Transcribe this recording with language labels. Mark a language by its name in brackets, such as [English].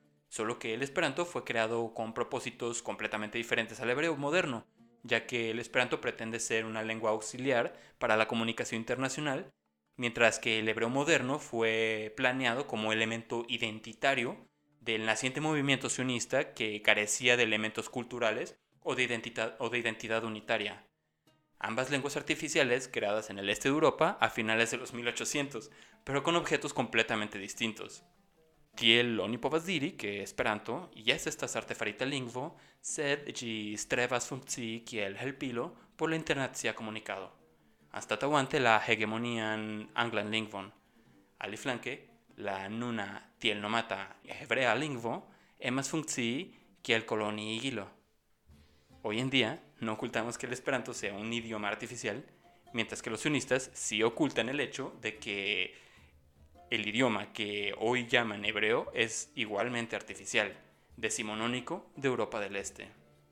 [Spanish] Solo que el esperanto fue creado con propósitos completamente diferentes al hebreo moderno, ya que el esperanto pretende ser una lengua auxiliar para la comunicación internacional, mientras que el hebreo moderno fue planeado como elemento identitario del naciente movimiento sionista que carecía de elementos culturales o de identidad unitaria. Ambas lenguas artificiales creadas en el este de Europa a finales de los 1800, pero con objetos completamente distintos. [Esperanto] Tiel oni povas diri que esperanto jes estas artefarita lingvo, sed ĝi strevas funkcii kiel helpilo por la internacia komunikado, anstataŭante la hegemonian anglan lingvon. Aliflanke, la nuna tiel nomata hebrea lingvo emas funkcii kiel koloniigilo. [Spanish] Hoy en día, no ocultamos que el esperanto sea un idioma artificial, mientras que los sionistas sí ocultan el hecho de que el idioma que hoy llaman hebreo es igualmente artificial, decimonónico de Europa del Este.